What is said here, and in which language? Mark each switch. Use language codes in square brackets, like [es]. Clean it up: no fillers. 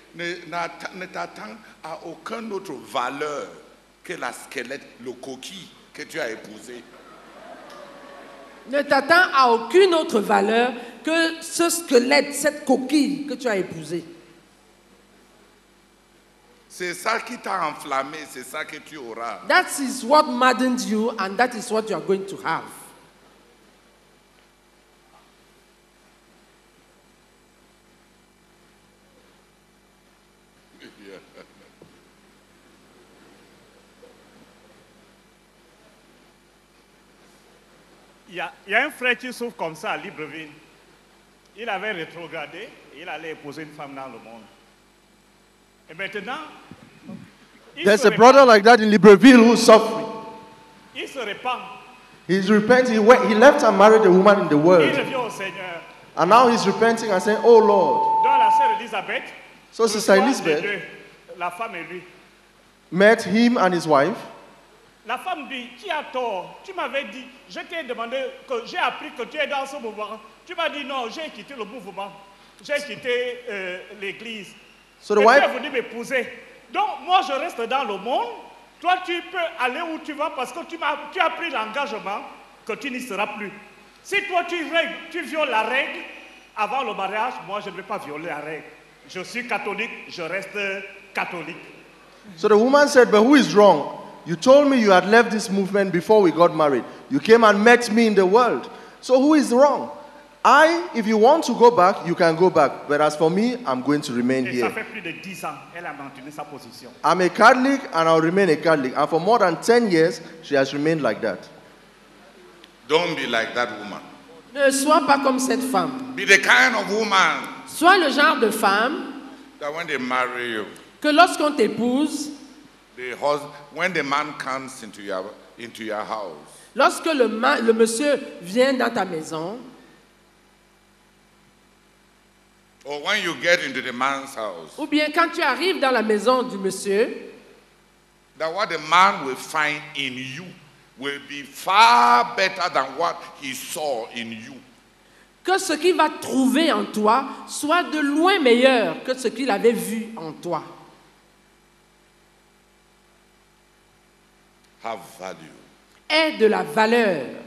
[fr] Ne t'attends à aucune autre valeur que la squelette, le coquille que tu as épousé. Ne t'attends à aucune autre valeur que ce squelette, cette coquille que tu as épousé. C'est ça qui t'a enflammé, c'est ça que tu auras. [en] That is what maddened you and that is what you are going to have. [fr] Il y a un frère qui souffre comme ça à Libreville. Il avait rétrogradé et il allait épouser une femme dans le monde. Et maintenant, [en] there's a brother like that in Libreville who's suffering. [fr] Il se repent. [en] He's repenting. He left and married a woman in the world. [fr] Il revient au Seigneur. [en] And now he's repenting and saying, oh Lord. [fr] Dans la sœur Elisabeth, [en] so Sister Elizabeth, [fr] la femme et lui, [en] met him and his wife. [fr] La femme dit, qui a tort? Tu m'avais dit, je t'ai demandé, que j'ai appris que tu es dans ce mouvement. Tu m'as dit, non, j'ai quitté le mouvement. J'ai quitté l'église. [en] So the wife, [fr] tu es venu m'épouser. Donc, moi, je reste dans le monde. Toi, tu peux aller où tu vas parce que tu as pris l'engagement que tu n'y seras plus. Si toi, tu violes la règle avant le mariage, moi, je ne vais pas violer la règle. Je suis catholique, je reste catholique. [en] So the woman said, but who is wrong? You told me you had left this movement before we got married. You came and met me in the world. So who is wrong? I, if you want to go back, you can go back. But as for me, I'm going to remain here. [fr] Ça fait plus de 10 ans, elle a maintenu sa position. [en] I'm a Catholic and I'll remain a Catholic. And for more than 10 years, she has remained like that. Don't be like that woman. [fr] Ne sois pas comme cette femme. [en] Be the kind of woman. [fr] Sois le genre de femme. [en] That when they marry you. [fr] Que lorsqu'on t'épouse. [en] When the man comes into your house, [fr] lorsque le monsieur vient dans ta maison, [en] or when you get into the man's house, [fr] ou bien quand tu arrives dans la maison du monsieur, [en] that what the man will find in you will be far better than what he saw in you. [fr] Que ce qu'il va trouver en toi soit de loin meilleur que ce qu'il avait vu en toi. [en] Have value. [fr] Aie de la valeur.